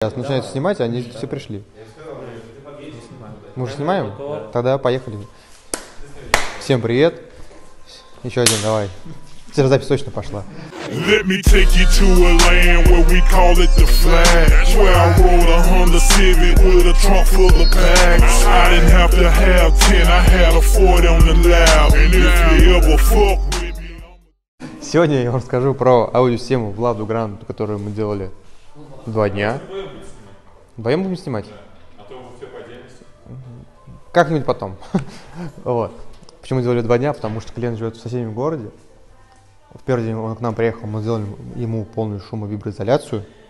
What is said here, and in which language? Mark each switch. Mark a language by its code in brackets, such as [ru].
[ru] Сейчас начинают снимать, они все пришли. Мы уже снимаем? Да. Тогда поехали. Всем привет. Еще один, давай. Теперь запись точно пошла. [en] Let me take you to a land where we call it the Flash. Where I rode a Honda Civic with a trunk full of packs. I didn't have to have 10, I had a 40 on the lap. And if you ever fuck. [ru] Сегодня я вам расскажу про аудиосистему Владу Гранд, которую мы делали 2 дня. Вдвоем будем снимать? Да. А то мы все поделимся. Как-нибудь потом. Вот. Почему делали 2 дня? Потому что клиент живет в соседнем городе. В первый день он к нам приехал, мы сделали ему полную шумовиброизоляцию.